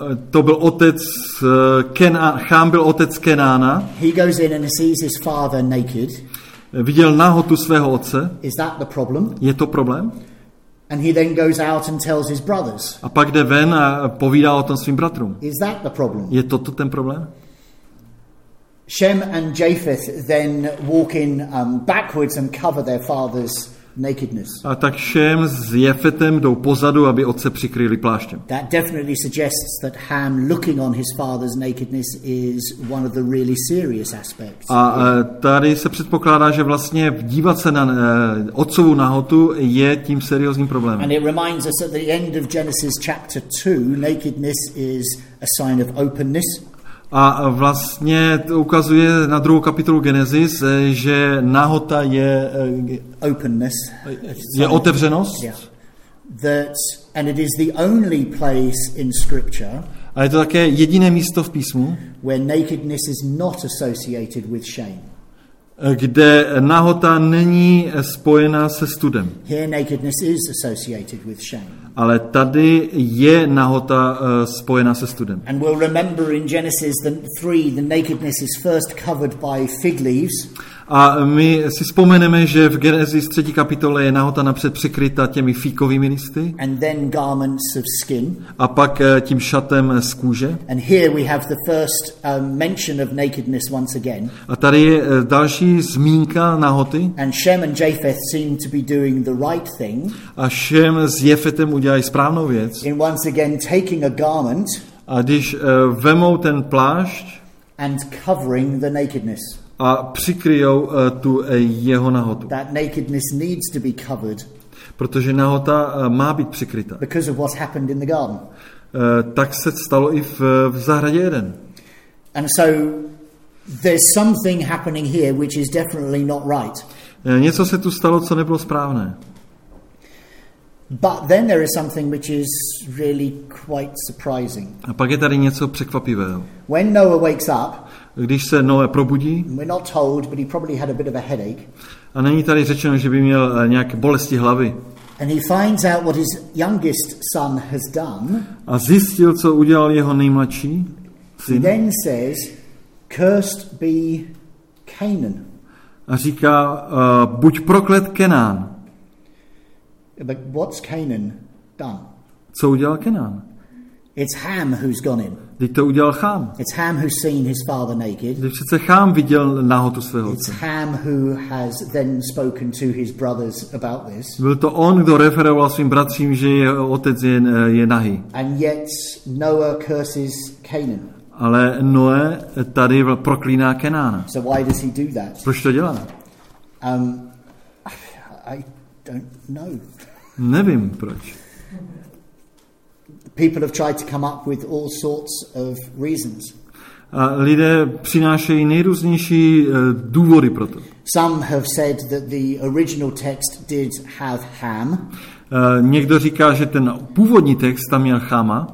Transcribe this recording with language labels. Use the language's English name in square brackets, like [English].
[Czech] To byl otec Chám byl otec Kenána. [English] He goes in and sees his father naked. [Czech] Viděl nahotu svého otce. [English] Is that the problem? [Czech] Je to problém? [English] And he then goes out and tells his brothers. [Czech] A pak jde ven a povídá o tom svým bratrům. [English] Is that the problem? [Czech] Je toto ten problém? [English] Shem and Japheth then walk in backwards and cover their father's nakedness. [Czech] A tak Shem s Japhetem jdou pozadu, aby otce přikryli pláštěm. [English] That definitely suggests that Ham looking on his father's nakedness is one of the really serious aspects. [Czech] A tady se předpokládá, že vlastně dívat se na otcovu nahotu je tím seriózním problémem. [English] And it reminds us at the end of Genesis chapter 2, nakedness is a sign of openness. [Czech] A vlastně to ukazuje na druhou kapitolu Genesis, že nahota je [English] openness, [Czech] je otevřenost. Yeah. [English] That, and it is the only place in scripture. [Czech] A je to také jediné místo v písmu, [English] where nakedness is not associated with shame. [Czech] Kde nahota není spojená se studem. [English] Here nakedness is associated with shame. [Czech] Ale tady je nahota spojena se studem. [English] And we'll remember in Genesis 3 the nakedness is first covered by fig leaves. [Czech] A my si vzpomeneme, že v Genesis 3. kapitole je nahota napřed přikryta těmi fíkovými listy. [English] And then garments of skin. [Czech] A pak tím šatem z kůže. [English] And here we have the first mention of nakedness once again. [Czech] A tady je další zmínka nahoty. [English] And Shem and Japheth seem to be doing the right thing. [Czech] A Shem s Japhetem udělají správnou věc. [English] In once again taking a garment. [Czech] A když vemou ten plášť. [English] And covering the nakedness. [Czech] A přikryjou tu jeho nahotu. [English] That nakedness needs to be covered. [Czech] Protože nahota má být přikryta. [English] Because of what happened in the garden. [Czech] Tak se stalo i v zahradě Eden. [English] And so there's something happening here which is definitely not right. [Czech] Něco se tu stalo, co nebylo správné. [English] But then there is something which is really quite surprising. [Czech] A pak je tady něco překvapivého. [English] When Noah wakes up. [Czech] Když se Noé probudí. [English] We're not told, but he probably had a bit of a headache. [Czech] A není tady řečeno, že by měl nějaké bolesti hlavy. [English] And he finds out what his youngest son has done. [Czech] A zjistil, co udělal jeho nejmladší syn. [English] He then says, "Cursed be Canaan." [Czech] A říká, buď proklet Kenán. [English] But what's Canaan done? [Czech] Co udělal Kenán? [English] It's Ham who's gone in. [Czech] Teď to udělal Chám. [English] It's Ham who's seen his father naked. [Czech] Teď přece Chám viděl nahotu svého otce. [English] It's Ham who has then spoken to his brothers about this. [Czech] Byl to on, kdo referoval svým bratřím, že jeho otec je nahý. [English] And yet Noah curses Canaan. [Czech] Ale Noé tady proklíná Kenána. [English] So why does he do that? [Czech] Proč to dělá? [English] I don't know. [Czech] Nevím proč. [English] People have tried to come up with all sorts of reasons. [Czech] Lidé přinášejí nejrůznější důvody pro to. [English] Some have said that the original text did have Ham. [Czech] Někdo říká, že ten původní text tam měl Chama.